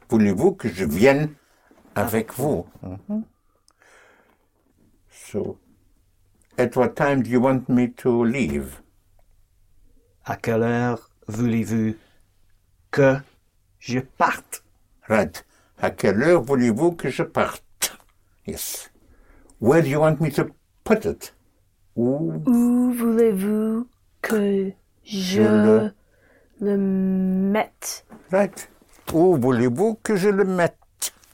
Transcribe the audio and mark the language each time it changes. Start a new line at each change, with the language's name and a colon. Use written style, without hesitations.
French: Voulez-vous que je vienne avec vous? Mm-hmm.
English: So, at what time do you want me to leave?
French: À quelle heure voulez-vous que je parte?
English: Right.
French: À quelle heure voulez-vous que je parte?
English: Yes. Where do you want me to put it?
French: Où voulez-vous que je le mette?
English: Right.
French: Où voulez-vous que je le mette?